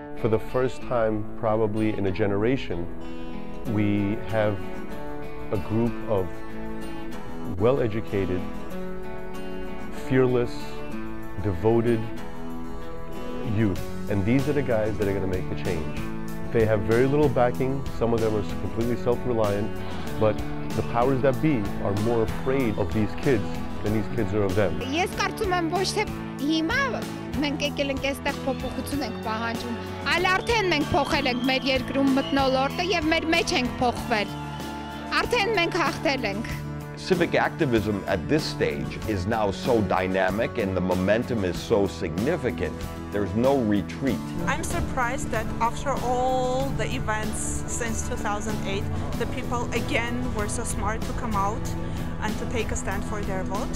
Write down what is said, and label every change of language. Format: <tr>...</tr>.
<en>For the first time, probably in a generation, we have a group of well-educated, fearless, devoted youth. And these are the guys that are going to make the change. They have very little backing. Some of them are completely self-reliant, but the powers that be are more afraid of these kids than these kids are of them.</en> <hy>Ես կարծում եմ ոչ թե հիմա մենք եկել ենք այստեղ փոփոխություն ենք պահանջում, այլ արդեն մենք փոխել ենք մեր երկրում մթնոլորտը եւ մեր մեջ ենք փոխվել. Արդեն մենք հաղթել ենք.</hy> <en>Civic activism at this stage is now so dynamic and the momentum is so significant. There's no retreat. I'm surprised that after all the events since 2008, the people again were so smart to come out and to take a stand for their vote.</en>